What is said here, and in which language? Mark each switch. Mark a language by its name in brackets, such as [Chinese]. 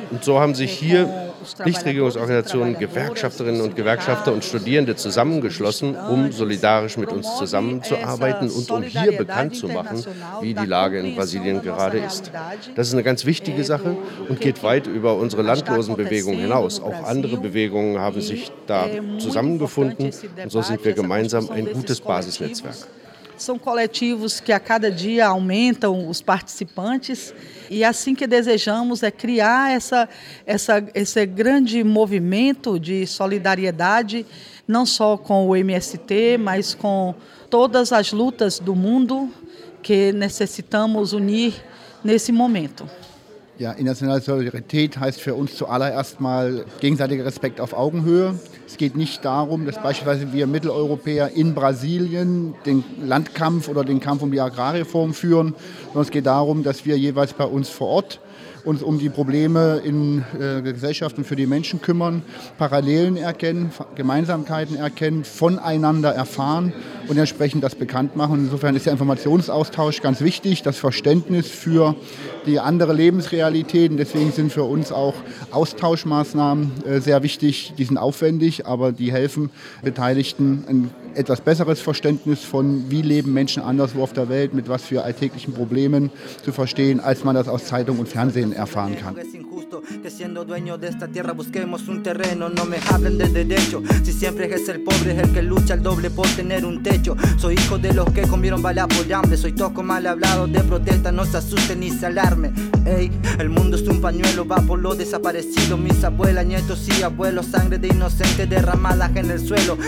[German] Und so haben sich hier Nichtregierungsorganisationen, Gewerkschafterinnen und Gewerkschafter und Studierende zusammengeschlossen, um solidarisch mit uns zusammenzuarbeiten und um hier bekannt zu machen, wie die Lage in Brasilien gerade ist. Das ist eine ganz wichtige Sache und geht weit über unsere Landlosenbewegung hinaus. Auch andere Bewegungen haben sich da zusammengefunden und so sind wir gemeinsam ein gutes Basisnetzwerk. [Portuguese] São coletivos que a cada dia aumentam os participantes e assim que desejamos é criar esse grande movimento de solidariedade não só com o MST, mas com todas as lutas do mundo que necessitamos unir nesse momento. [German] Ja, internationale Solidarität heißt für uns zuallererst mal gegenseitiger Respekt auf Augenhöhe. Es geht nicht darum, dass beispielsweise wir Mitteleuropäer in Brasilien den Landkampf oder den Kampf um die Agrarreform führen, sondern es geht darum, dass wir jeweils bei uns vor Ort uns um die Probleme in Gesellschaft und für die Menschen kümmern, Parallelen erkennen, Gemeinsamkeiten erkennen, voneinander erfahren und entsprechend das bekannt machen. Insofern ist der Informationsaustausch ganz wichtig, das Verständnis für die andere Lebensrealität. Realitäten. Deswegen sind für uns auch Austauschmaßnahmen sehr wichtig. Die sind aufwendig, aber die helfen Beteiligten, ein etwas besseres Verständnis von, wie leben Menschen anderswo auf der Welt, mit was für alltäglichen Problemen zu verstehen, als man das aus Zeitung und Fernsehen erfahren kann. [Spanish] Que siendo dueño de esta tierra busquemos un terreno, no me hablen de derecho. Si siempre es el pobre es el que lucha el doble por tener un techo. Soy hijo de los que comieron balas por hambre. Soy tosco mal hablado de protesta, no se asusten ni se alarme. Ey, el mundo es un pañuelo, va por lo desaparecido. Mis abuelas, nietos y abuelos, sangre de inocentes derramadas en el suelo.